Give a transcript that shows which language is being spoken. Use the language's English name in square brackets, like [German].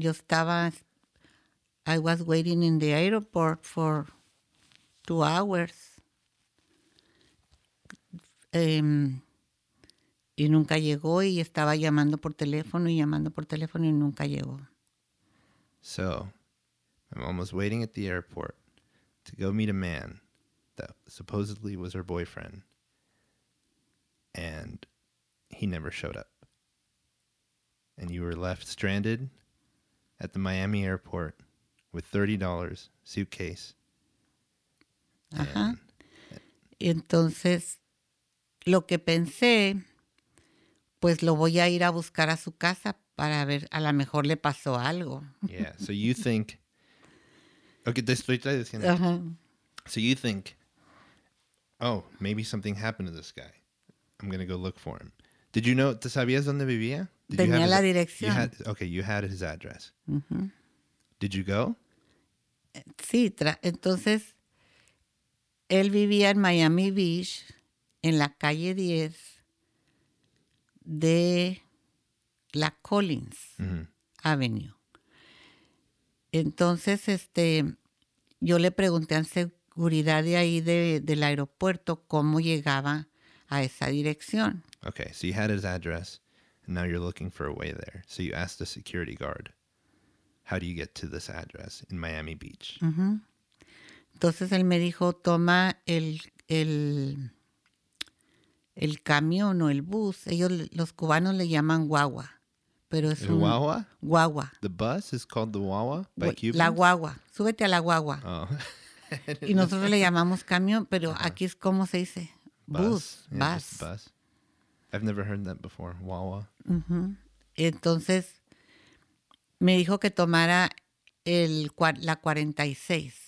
[English] I was waiting in the airport for 2 hours. [Spanish] Y nunca llegó y estaba llamando por teléfono y nunca llegó. [English] So, my mom was waiting at the airport to go meet a man that supposedly was her boyfriend, and he never showed up. And you were left stranded at the Miami airport with $30, suitcase. Ajá. [Spanish] Entonces, lo que pensé, pues lo voy a ir a buscar a su casa para ver, a lo mejor le pasó algo. [English] Yeah, so you think... Okay, [Spanish] te estoy diciendo. Uh-huh. [English] So you think, oh, maybe something happened to this guy. I'm going to go look for him. Did you know, [Spanish] ¿te sabías dónde vivía? Tenía la dirección. [English] You had his address. Uh-huh. Did you go? [Spanish] Sí, entonces, él vivía en Miami Beach, en la calle 10, de la Collins uh-huh. [English] Avenue. [Spanish] Entonces, yo le pregunté a seguridad de ahí del aeropuerto cómo llegaba a esa dirección. [English] Okay, so you had his address, and now you're looking for a way there. So you asked the security guard, how do you get to this address in Miami Beach? Uh-huh. [Spanish] Entonces, él me dijo, toma el camión o el bus. Ellos, los cubanos le llaman guagua. Pero es un guagua? Guagua. [English] The bus is called the guagua by Cubans? [Spanish] La guagua. Súbete a la guagua. Oh. Y nosotros le llamamos camión, pero uh-huh. Aquí es como se dice. Bus. [English] Yeah, bus. Bus. I've never heard that before. Guagua. [Spanish] Uh-huh. Entonces, me dijo que tomara la 46.